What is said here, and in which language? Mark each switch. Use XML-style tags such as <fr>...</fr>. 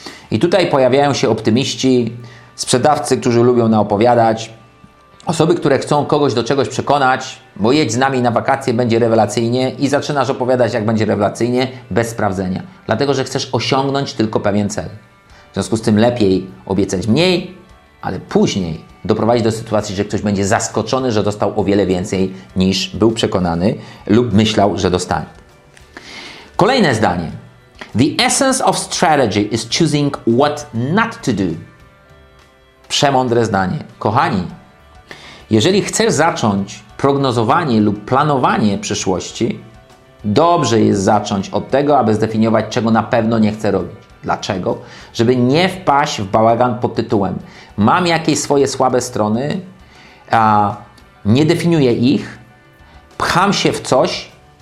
<pl>I tutaj pojawiają się optymiści, sprzedawcy, którzy lubią naopowiadać, osoby, które chcą kogoś do czegoś przekonać, bo jedź z nami na wakacje, będzie rewelacyjnie i zaczynasz opowiadać, jak będzie rewelacyjnie, bez sprawdzenia. Dlatego, że chcesz osiągnąć tylko pewien cel. W związku z tym lepiej obiecać mniej, ale później doprowadzić do sytuacji, że ktoś będzie zaskoczony, że dostał o wiele więcej niż był przekonany lub myślał, że dostanie. Kolejne zdanie.</pl> <en>The essence of strategy is choosing what not to do.</en> <pl>Przemądre zdanie. Kochani, jeżeli chcesz zacząć prognozowanie lub planowanie przyszłości, dobrze jest zacząć od tego, aby zdefiniować, czego na pewno nie chcę robić. Dlaczego? Żeby nie wpaść w bałagan pod tytułem mam jakieś swoje słabe strony, a nie definiuję ich, pcham się w coś,</pl>